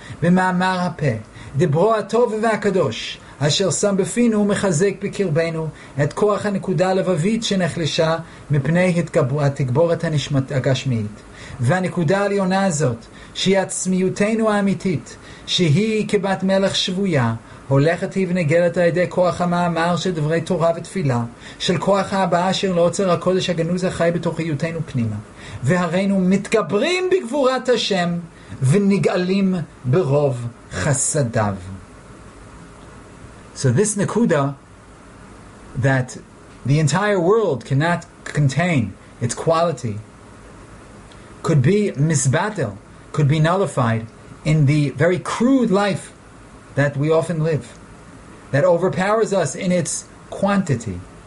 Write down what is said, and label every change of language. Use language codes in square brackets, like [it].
[he] v'ma'amar hapeh debro hatov v'hakadosh asher sam befinu mechazek bekirbenu et koach hanekuda levavit shenechlesha mepnei hatgborot hanishmat hagashmiyit והנקודה העליונה הזאת, שהיא עצמיותנו האמיתית, שהיא כבת מלך שבויה, הולכת היא ונגלת על ידי כוח המאמר של דברי תורה ותפילה, של כוח ההבאה אשר לעוצר הקודש הגנוז החי בתוך היותנו פנימה. והרינו מתגברים בגבורת השם, ונגאלים ברוב חסדיו. [en] So this נקודה, that the entire world cannot contain its quality, could be misbatel, could be nullified in the very crude life that we often live, that overpowers us in its quantity.